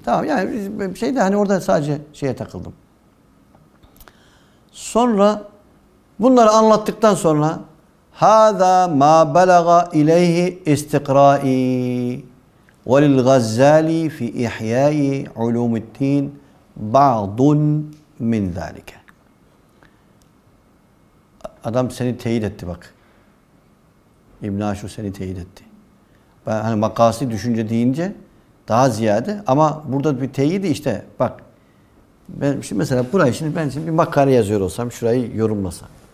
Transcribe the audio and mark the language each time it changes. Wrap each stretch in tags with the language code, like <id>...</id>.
<tr>Tamam yani şey de hani orada sadece şeye takıldım. Sonra bunları anlattıktan sonra</tr> <ar>هَذَا مَا بَلَغَ اِلَيْهِ اِسْتِقْرَائِ وَلِلْغَزَّالِ فِي اِحْيَاءِ عُلُومِ الدِّينِ بَعْضٌ مِنْ ذَٰلِكَ.</ar> <tr>Adam seni teyit etti bak. İbn-i Aşur seni teyit etti. Ben hani makasi düşünce deyince daha ziyade ama burada bir teyidi işte bak. Ben şimdi mesela burayı şimdi ben şimdi bir makale yazıyor olsam şurayı yorumlasam.</tr>